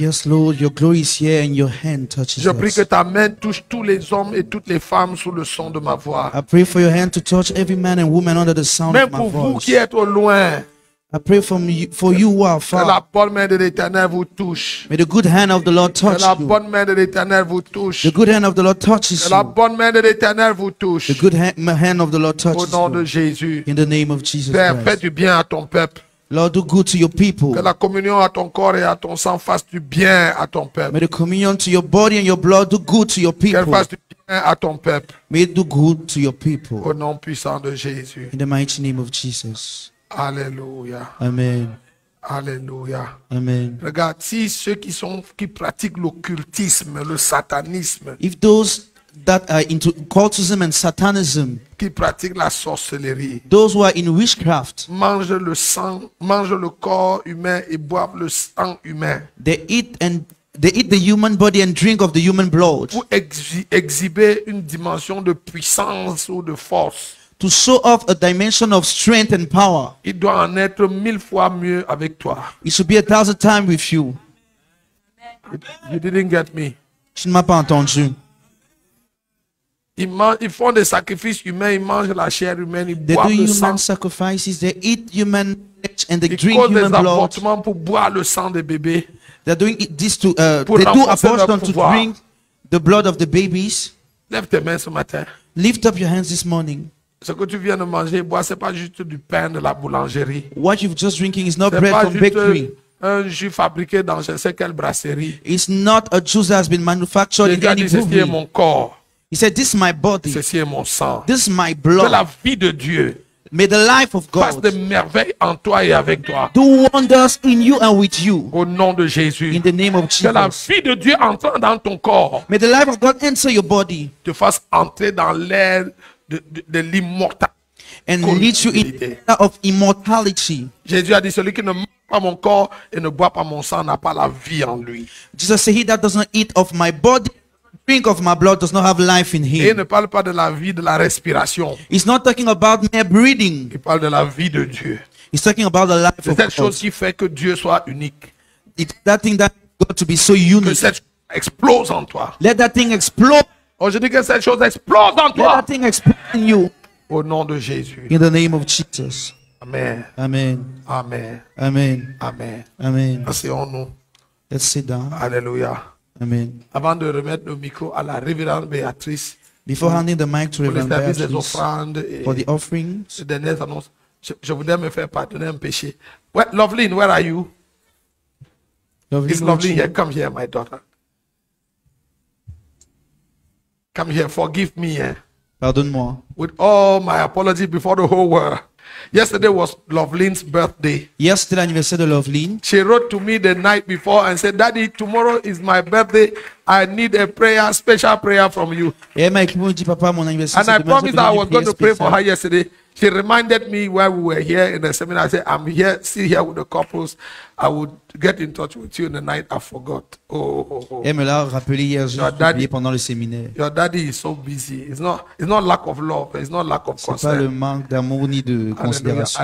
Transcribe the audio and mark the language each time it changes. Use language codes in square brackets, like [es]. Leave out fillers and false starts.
[en] Yes, Lord, your glory is here and your hand touches [fr] us. Je prie que ta main touche tous les hommes et toutes les femmes sous le son de ma voix. [en] I pray for your hand to touch every man and woman under the sound [fr] même [en] of my voice. [fr] Même pour vous qui êtes au loin. [en] I pray for you who are far. [fr] Que la bonne main de l'Éternel vous touche. [en] May the good hand of the Lord touch you. [fr] Que la bonne main de l'Éternel vous touche. [en] The good hand of the Lord touches you. [fr] Que la bonne main de l'Éternel vous touche. [en] The good hand of the Lord touches you. [fr] Au nom de Jésus. [en] In the name of Jesus [fr] Père, [en] Christ. [fr] Fais du bien à ton peuple. [en] Lord, do good to your people. [fr] Que la communion à ton corps et à ton sang fasse du bien à ton peuple. [en] May the communion to your body and your blood do good to your people. [fr] Qu'elle fasse du bien à ton peuple. [en] May it do good to your people. [fr] Au nom puissant de Jésus. [en] In the mighty name of Jesus. Alléluia. Amen. Alléluia. Amen. [fr] Regarde, si ceux qui sont qui pratiquent l'occultisme, le satanisme. [en] If those that are into occultism and satanism, [fr] qui pratiquent la sorcellerie, [en] those who are in witchcraft, [fr] mangent le sang, mangent le corps humain et boivent le sang humain. [en] They eat the human body and drink of the human blood. [fr] Pour exhiber une dimension de puissance ou de force. [en] To show off a dimension of strength and power. [fr] Il doit en être mille fois mieux avec toi. [en] It should be a thousand times with you. You didn't get me. [fr] Tu ne m'as pas entendu. Ils font des sacrifices humains, ils mangent la chair humaine, ils boivent le sang. [en] They do human sacrifices, they eat human flesh and they [fr] ils [en] drink human blood. [fr] Ils causent des avortements pour boire le sang des bébés. [en] They're doing this to they do abortion to drink the blood of the babies. [fr] Lève tes mains ce matin. [en] Lift up your hands this morning. [fr] Ce que tu viens de manger, boire, c'est pas juste du pain de la boulangerie. [en] What you've just drinking is not [fr] c'est [en] bread from bakery. [fr] Un jus fabriqué dans je sais quelle brasserie. [en] It's not a juice that has been manufactured [fr] c'est [en] in any brewery. [fr] C'est mon corps. [en] He said, this is my body. [fr] Ceci est mon sang. [en] This is my blood. [fr] C'est la vie de Dieu. [en] May the life of God [fr] fasse des merveilles en toi et avec toi. [en] Do wonders in you and with you. [fr] Au nom de Jésus. [en] In the name of Jesus. [fr] Que la vie de Dieu entre dans ton corps. [en] May the life of God enter your body. [fr] Te fasse entrer dans l'air de l'immortalité. [en] And lead you in the air of immortality. [fr] Jésus a dit, celui qui ne mange pas mon corps et ne boit pas mon sang n'a pas la vie en lui. [en] Jesus said, he that doesn't eat of my body, drink of my blood, does not have life in him. [fr] Et ne parle pas de la vie de la respiration. [en] He's not talking about mere breathing. [fr] Il parle de la vie de Dieu. [en] He's talking about the life of God. [fr] C'est cette chose qui fait que Dieu soit unique. [en] It's that thing that got to be so unique. [fr] Que cette chose explose en toi. [en] Let that thing explode. [fr] Oh, je dis que cette chose explose en toi. [en] Let that thing explode in you. [fr] Au nom de Jésus. [en] In the name of Jesus. Amen. Amen. Amen. Amen. Amen. Amen. [fr] Asseyons-nous. [en] Let's sit down. Hallelujah. Amen. [fr] Avant de remettre le micro à la révérende Béatrice, [en] before handing the mic to Reverend Beatrice, for the offerings, [fr] dernières annonces, je voudrais me faire pardonner un péché. [en] Where, Loveline, where are you? Loveline, it's Loveline here. Come here, my daughter. Come here. Forgive me. [fr] Pardonne-moi. [en] With all my apologies before the whole world. Yesterday was Loveline's birthday. [fr] Yesterday, anniversaire de Loveline. [en] She wrote to me the night before and said, "Daddy, tomorrow is my birthday. I need a prayer, special prayer from you." [fr] Et ma écrivain dit, papa, mon anniversaire. [en] And I promised I was going to pray for her yesterday. She reminded me while we were here in the seminar. I said, "I'm here, still here with the couples. I would get in touch with you in the night. I forgot." Oh. [fr] Elle me l'a rappelé hier, j'ai oublié pendant le séminaire. [en] Your daddy is so busy. It's not lack of love. It's not lack of concern. [fr] C'est pas le manque d'amour ni de considération.